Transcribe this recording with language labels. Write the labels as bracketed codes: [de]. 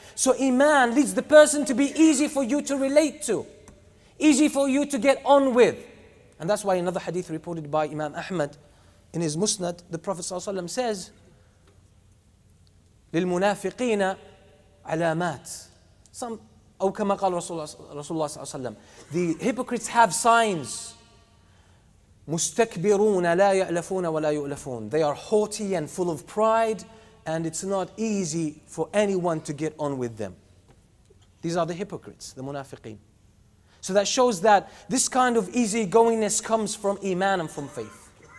[en] So Iman leads the person to be easy for you to relate to, easy for you to get on with. And that's why another hadith reported by Imam Ahmad in his Musnad, the Prophet ﷺ says, لِلْمُنَافِقِينَ عَلَامَاتِ. Some, أو كما قال رسول الله ﷺ, the hypocrites have signs. [ar] مُسْتَكْبِرُونَ لَا يَأْلَفُونَ وَلَا يُؤْلَفُونَ. [en] They are haughty and full of pride, and it's not easy for anyone to get on with them. These are the hypocrites, the munafiqeen. So that shows that this kind of easygoingness comes from Iman and from faith.